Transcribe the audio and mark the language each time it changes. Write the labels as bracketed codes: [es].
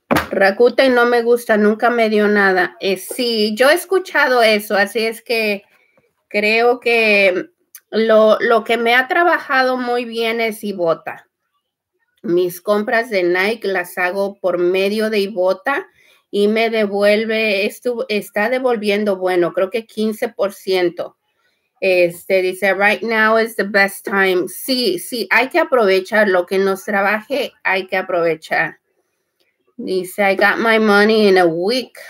[es] Rakuten no me gusta, nunca me dio nada. Sí, yo he escuchado eso, así es que creo que lo que me ha trabajado muy bien es Ibotta. Mis compras de Nike las hago por medio de Ibotta y me devuelve, está devolviendo, bueno, creo que 15%. [en] Dice, right now is the best time. [es] Sí, hay que aprovechar lo que nos trabaje, hay que aprovechar. [en] Dice, I got my money in a week.